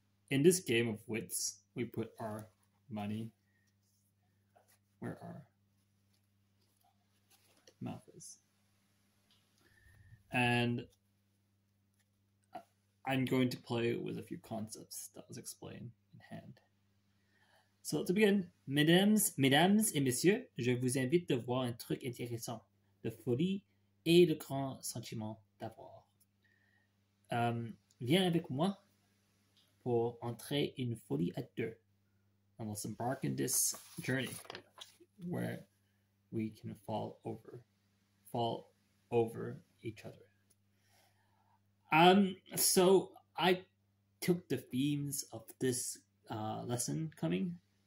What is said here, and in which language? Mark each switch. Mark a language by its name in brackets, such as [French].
[English] In this game of wits, we put our money where our mouth is. And I'm going to play with a few concepts that was explained in hand. So to begin, [French] mesdames et messieurs, je vous invite de voir un truc intéressant, la folie et le grand sentiment d'avoir. Viens avec moi pour entrer une folie à deux. [English] And let's embark in this journey where we can fall over each other. So I took the themes of this lesson coming.